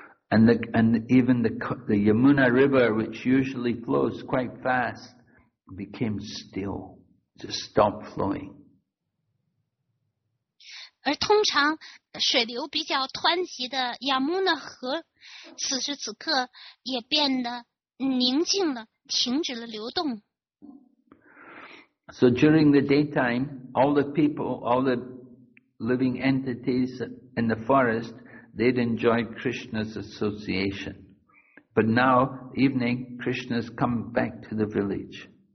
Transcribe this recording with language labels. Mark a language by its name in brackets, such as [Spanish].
[English] And even the Yamuna River, which usually flows quite fast, became still, just stopped flowing. [Chinese] 而通常水流比较湍急的 Yamuna 河，此时此刻也变得宁静了，停止了流动。 [English] So during the daytime, all the people, all the living entities in the forest. They'd enjoy Krishna's association. But now, evening, Krishna's come back to the village.